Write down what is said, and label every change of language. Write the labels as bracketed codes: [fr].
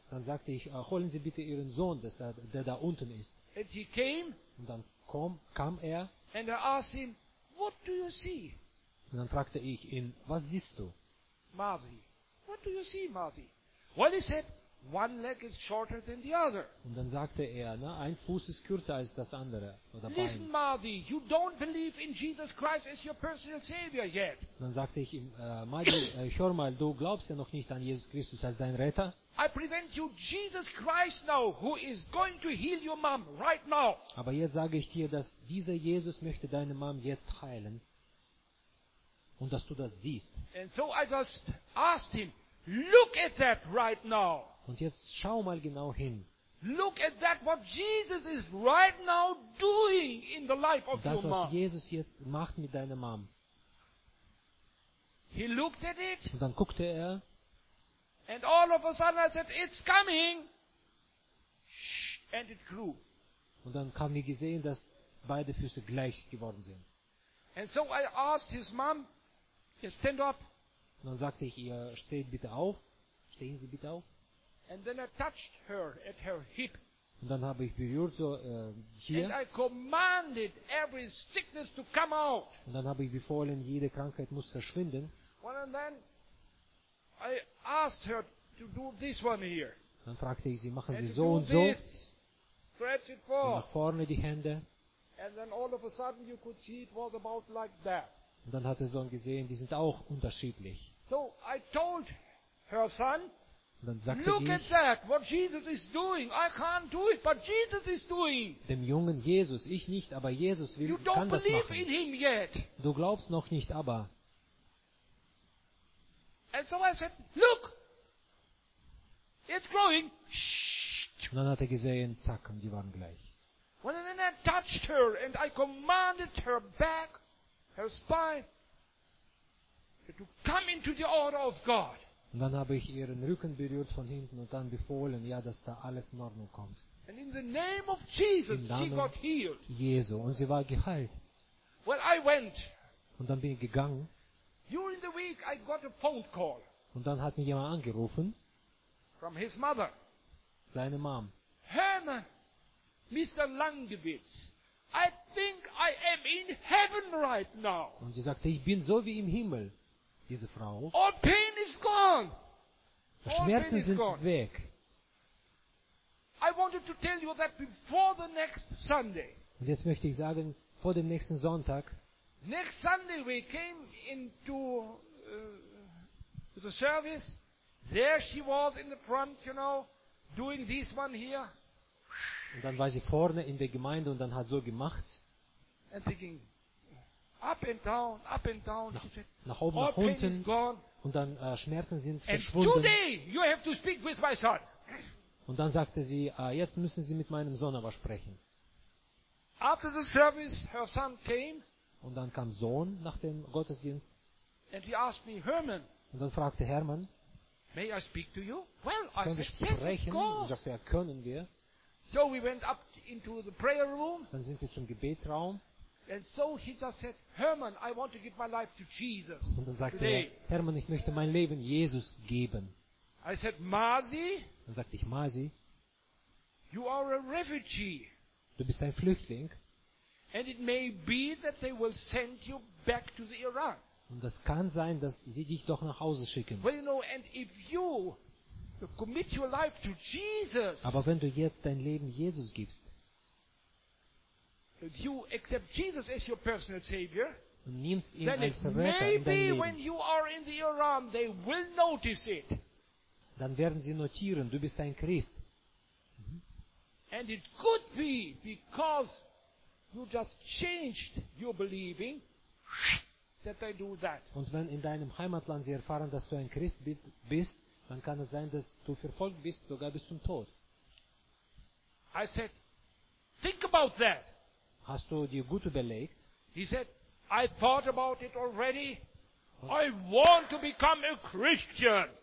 [de] Dann sagte ich, holen Sie bitte Ihren Sohn, der da unten ist. [en] And he came. [de] Und dann kam er. [en] And I asked him, what do you see? [de] Und dann fragte ich ihn, was siehst du? [en] Marty. What do you see, Marty? Well, he said, one leg is shorter than the other. [de] Und dann sagte er, ne, ein Fuß ist kürzer als das andere. Oder [en] listen, Marty, you don't believe in Jesus Christ as your personal Savior yet. [de] Und dann sagte ich ihm, Marty, hör mal, du glaubst ja noch nicht an Jesus Christus als dein Retter. [en] I present you Jesus Christ now, who is going to heal your mom right now. [de] Aber jetzt sage ich dir, dass dieser Jesus möchte deine Mom jetzt heilen. Und dass du das siehst. [en] And so I just asked him, look at that right now. [de] Und jetzt schau mal genau hin. [en] Look at that, what Jesus is right now doing in the life of [de] das, [en] your mom. [de] Das, was Jesus jetzt macht mit deiner Mom. [en] He looked at it. [de] Und dann guckte er. [en] And all of a sudden I said, it's coming. Shh, and it grew. [de] Und dann kam mir gesehen, dass beide Füße gleich geworden sind. [en] And so I asked his mom, yes, stand up. [de] Und dann sagte ich ihr, steht bitte auf. Stehen Sie bitte auf. [en] And then I touched her at her hip. [de] Und dann habe ich berührt so hier. [en] And I commanded every sickness to come out. [de] Und dann habe ich befohlen, jede Krankheit muss verschwinden. [en] Well, and then I asked her to do this one here. [de] Dann fragte ich sie, machen Sie so und so. [en] Stretch it forth. [de] Nach vorne die Hände. [en] And then all of a sudden you could see it was about like that. [de] Und dann hat der Sohn gesehen, die sind auch unterschiedlich. [en] So I told her son. [de] Dann sagte [en] look [de] ich, [en] at that, what Jesus is doing. I can't do it, but Jesus is doing. [de] Dem Jungen Jesus, ich nicht, aber Jesus will, [en] you don't [de] kann das [en] believe [de] machen. [en] In him yet. [de] Du glaubst noch nicht, aber. [en] And so I said, look, it's growing. [de] Und dann hat er gesehen, zack, und die waren gleich. [en] Well, and then I touched her and I commanded her back, her spine, to come into the order of God. [de] Und dann habe ich ihren Rücken berührt von hinten und dann befohlen, ja, dass da alles in Ordnung kommt. [en] And in the name of Jesus, [de] im Namen [en] she got healed. [de] Jesu, und sie war geheilt. [en] Well, I went. [de] Und dann bin ich gegangen. [en] During the week I got a phone call. [de] Und dann hat mich jemand angerufen. [en] From his mother. [de] Seine Mom. [en] Herman, Mr. Langewitz, I think I am in heaven right now. [de] Und sie sagte, ich bin so wie im Himmel. Diese Frau. [en] All pain is gone. [de] Die Schmerzen sind weg. [en] I wanted to tell you that before the next Sunday. [de] Und jetzt möchte ich sagen, vor dem nächsten Sonntag. [en] Next Sunday we came into the service. There she was in the front, you know, doing this one here. [de] Und dann war sie vorne in der Gemeinde und dann hat so gemacht. [en] And they [de] ging. [en] Up and down, up and down. [de] Nach oben, nach unten. Und dann Schmerzen sind verschwunden. [en] And today you have to speak with my son. [de] Und dann sagte sie, jetzt müssen Sie mit meinem Sohn aber sprechen. [en] After the service, her son came. [de] Und dann kam Sohn nach dem Gottesdienst. [en] And he asked me, Herman. [de] Und dann fragte Herman, [en] may I speak to you? Well, I said, [de] sprechen? [en] Yes, of course. [de] Und sagte er, können wir. [en] So we went up into the prayer room. [de] Dann sind wir zum Gebetraum. [en] And so he just said, Herman, I want to give my life to Jesus. [de] Und dann sagte er, Herman, ich möchte mein Leben Jesus geben. [en] I said, Masi. [de] Dann sagte ich, Masi. [en] You are a refugee. [de] Du bist ein Flüchtling. [en] And it may be that they will send you back to the Iran. [de] Und das kann sein, dass sie dich doch nach Hause schicken. [en] Well, you know, and if you commit your life to Jesus. [de] Aber wenn du jetzt dein Leben Jesus gibst. [en] If you accept Jesus as your personal savior, [de] und nimmst ihn [en] then [de] als Retter in dein Leben, [en] when you are in the Iran, they will notice it. [de] Dann werden sie notieren, du bist ein Christ. [en] And it could be because you just changed your believing that they do that. [de] Und wenn in deinem Heimatland sie erfahren, dass du ein Christ bist, dann kann es sein, dass du verfolgt bist, sogar bis zum Tod. [en] I said, think about that. [de] Hast du dir gut überlegt? [en] He said, I thought about it already. I want to become a Christian.